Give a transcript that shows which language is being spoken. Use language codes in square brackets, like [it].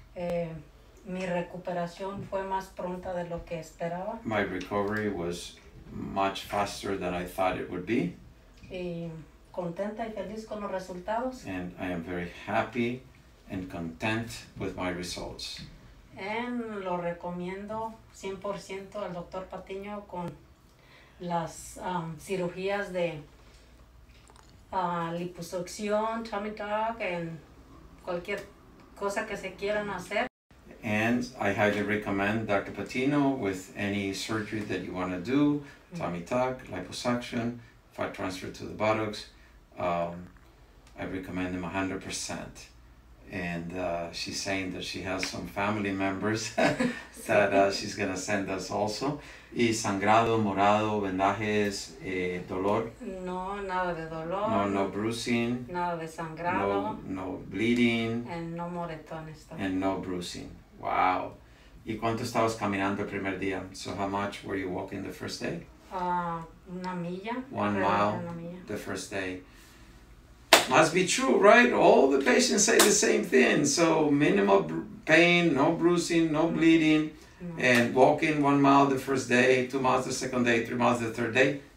[es] Mi recuperación fue más pronta de lo que esperaba. [en] My recovery was much faster than I thought it would be. [es] Y contenta y feliz con los resultados. [en] And I am very happy and content with my results. [es] And lo recomiendo 100% al Dr. Patino con las cirugías de liposucción, [en] tummy tuck, [es] and cualquier cosa que se quieran hacer. [en] And I highly recommend Dr. Patino with any surgery that you want to do, tummy tuck, liposuction, fat transfer to the buttocks. I recommend him 100%. And she's saying that she has some family members that she's going to send us also. [es] ¿Y sangrado, morado, vendajes, dolor? No, nada de dolor. [en] No, no bruising. [es] Nada de sangrado. [en] No bleeding. [es] And no moretones. [en] And no bruising. Wow. [es] ¿Y cuánto estabas caminando el primer día? [en] So how much were you walking the first day? [es] Una milla. [en] 1 mile the first day. Must be true, right? All the patients say the same thing. So minimal pain, no bruising, no bleeding. And walking 1 mile the first day, 2 miles the second day, 3 miles the third day.